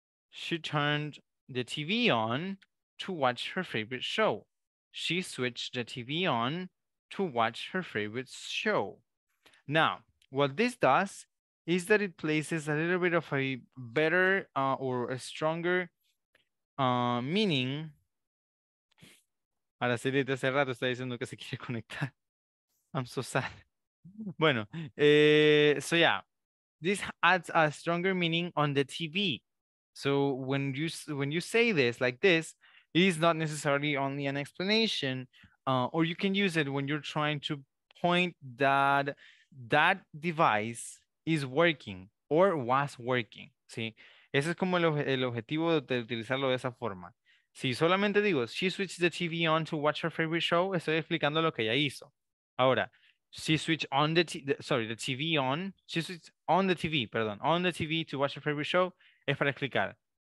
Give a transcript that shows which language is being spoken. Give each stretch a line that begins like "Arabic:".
English: She turned the TV on to watch her favorite show. She switched the TV on to watch her favorite show. Now, what this does is that it places a little bit of a better or a stronger meaning.
Spanish: Ahora sí, desde hace rato está diciendo que se quiere conectar.
English: I'm so sad.
Spanish: Bueno,
English: so yeah, this adds a stronger meaning on the TV. So when you say this like this, it is not necessarily only an explanation, or you can use it when you're trying to point that that device is working or was working.
Spanish: ¿Sí? Ese es como el objetivo de utilizarlo de esa forma. Si solamente digo,
English: she switched the TV on to watch her favorite show,
Spanish: estoy explicando lo que ella hizo. Ahora,
English: she switched on the TV to watch her favorite show,
Spanish: es para explicar.